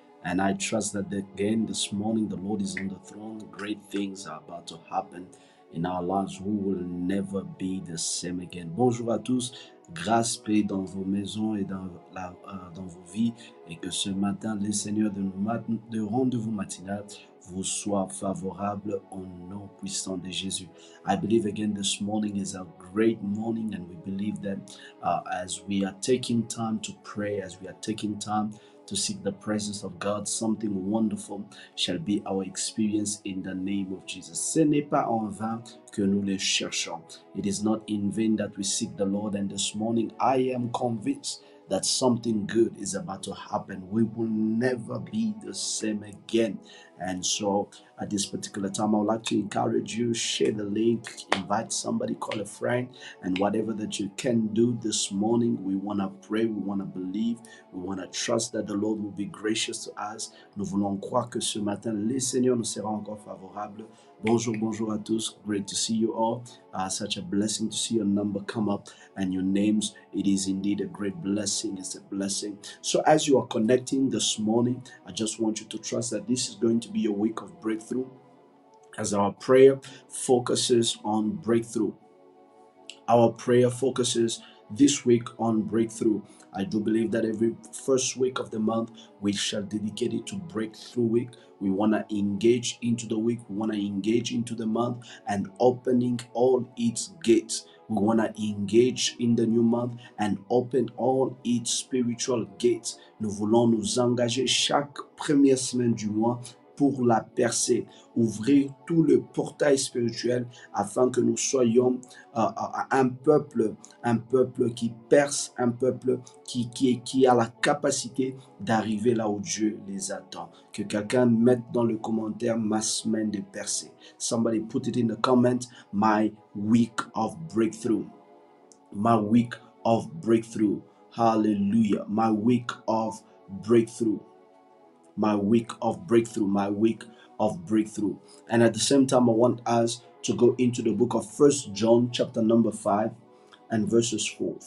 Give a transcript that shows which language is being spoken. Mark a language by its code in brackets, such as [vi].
[en] And I trust that again this morning the Lord is on the throne. Great things are about to happen in our lives. We will never be the same again. [fr] Bonjour à tous. Grâce, paix dans vos maisons et dans vos vies. Et que ce matin, le Seigneur de rendez-vous matinal vous soit favorable au nom puissant de Jésus. [en] I believe again this morning is a great morning, and we believe that as we are taking time to pray, as we are taking time to seek the presence of God, something wonderful shall be our experience in the name of Jesus. [fr] Ce n'est pas en vain que nous le cherchons. [en] It is not in vain that we seek the Lord. And this morning, I am convinced that something good is about to happen. We will never be the same again. And so at this particular time, I would like to encourage you, share the link, invite somebody, call a friend, and whatever that you can do this morning, we want to pray, we want to believe, we want to trust that the Lord will be gracious to us. [fr] Nous voulons croire que ce matin, le Seigneur nous sera encore favorable. Bonjour, bonjour à tous. [en] Great to see you all. Such a blessing to see your number come up and your names. It is indeed a great blessing. It's a blessing. So as you are connecting this morning, I just want you to trust that this is going to be a week of breakthrough, as our prayer focuses on breakthrough. Our prayer focuses this week on breakthrough. I do believe that every first week of the month, we shall dedicate it to breakthrough week. We want to engage into the week. We want to engage into the month and opening all its gates. We want to engage in the new month and open all its spiritual gates. [fr] Nous voulons nous engager chaque première semaine du mois pour la percer, ouvrir tout le portail spirituel afin que nous soyons un peuple qui perce, un peuple qui a la capacité d'arriver là où Dieu les attend. Que quelqu'un mette dans le commentaire ma semaine de percée. [en] Somebody put it in the comment, my week of breakthrough. My week of breakthrough. Hallelujah. My week of breakthrough. My week of breakthrough, my week of breakthrough. And at the same time, I want us to go into the book of 1 John chapter number 5 and verses 4.